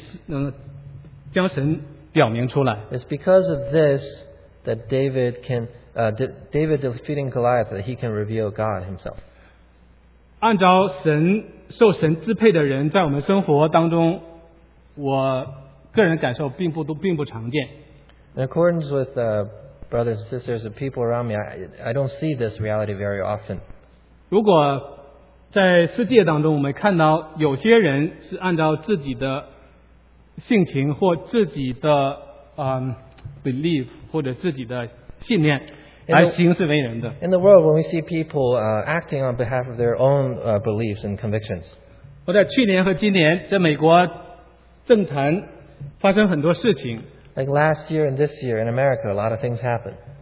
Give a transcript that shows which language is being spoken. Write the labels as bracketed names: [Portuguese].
[Chinese] 所以大卫能战胜哥利亚，所以大卫能够战胜哥利亚，能够显示，能将神表明出来。 [English] It's because of this that David can, David defeating Goliath, that he can reveal God himself. [Chinese] 按照神受神支配的人，在我们生活当中，我个人感受并不常见。 [English] In accordance with brothers and sisters and people around me, I don't see this reality very often. [Chinese] 如果在世界当中，我们看到有些人是按照自己的性情或自己的belief或者自己的信念来行事为人的。 [English] In the world, when we see people acting on behalf of their own beliefs and convictions, [Chinese] 我在去年和今年在美国政坛发生很多事情。 [English] Like last year and this year in America, a lot of things happened.